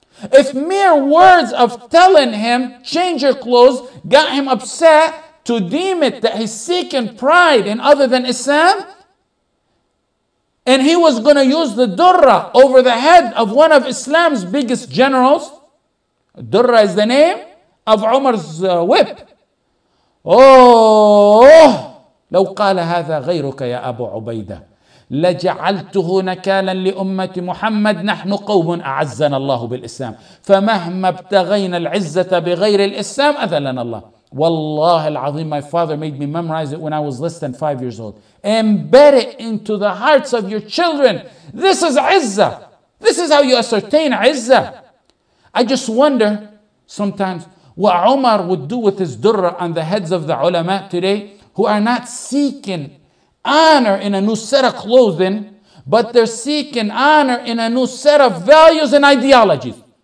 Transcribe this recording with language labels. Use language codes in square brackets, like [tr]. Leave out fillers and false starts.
[en] If mere words of telling him, change your clothes, got him upset to deem it that he's seeking pride in other than Islam, and he was going to use the Durra over the head of one of Islam's biggest generals. Durra is the name of Umar's whip. [ar] Oh, لو قال هذا غيرك يا أبو عبيدة لجعلته نكالا لأمة محمد نحن قوم أعزنا الله بالإسلام فمهما ابتغينا العزة بغير الإسلام أذلنا الله. والله العظيم, [en] my father made me memorize it when I was less than 5 years old. Embed it into the hearts of your children. This is Izzah. This is how you ascertain Izzah. I just wonder sometimes what Umar would do with his durra on the heads of the ulama today who are not seeking honor in a new set of clothing, but they're seeking honor in a new set of values and ideologies.